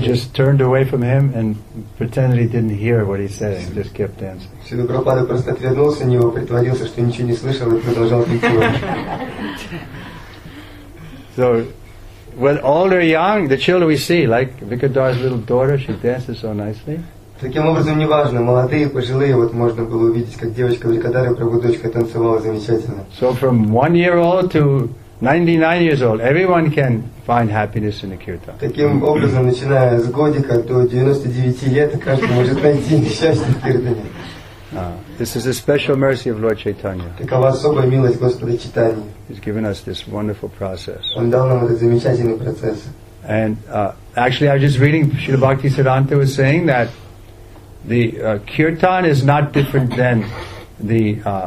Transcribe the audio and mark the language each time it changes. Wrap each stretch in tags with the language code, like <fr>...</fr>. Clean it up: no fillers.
<en>just turned away from him and pretended he didn't hear what he said and just kept dancing.</en> <ru>Шрила Прабхупада просто отвернулся от него, притворился, что ничего не слышал, и продолжал танцевать.</ru> <en>So, with older young, the children we see, like Vikadar's little daughter, she dances so nicely.</en> <ru>Таким образом, неважно, молодые, пожилые, вот можно было увидеть, как девочка Вайкадара, правда, дочка танцевала замечательно.</ru> <en>So from 1 year old to 99 years old, everyone can find happiness in the kirtan.</en> <ru>Таким образом, начиная с годика до 99 лет, каждый может найти счастье в киртане.</ru> <en>This is a special mercy of Lord Chaitanya.</en> <ru>Такова особая милость Господа Чайтаньи.</ru> <en>He's given us this wonderful process.</en> <ru>Он дал нам этот замечательный процесс.</ru> <en>And actually, I was just reading, Srila Bhaktisiddhanta was saying that the kirtan is not different than the</en>